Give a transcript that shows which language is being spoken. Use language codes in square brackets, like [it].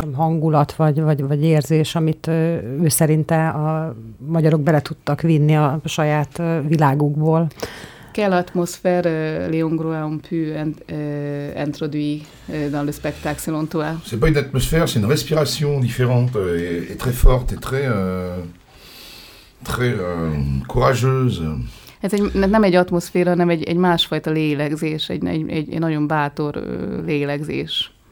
[hu] hangulat, vagy érzés, amit ő szerinte a magyarok bele tudtak vinni a saját világukból? [fr] Quelle atmosphère Léon Groulx a pu introduire dans le spectacle selon toi? C'est pas une atmosphère, c'est une respiration différente et très forte et très courageuse. [hu] Ez nem egy atmoszféra, hanem egy másfajta lélegzés, egy nagyon bátor lélegzés.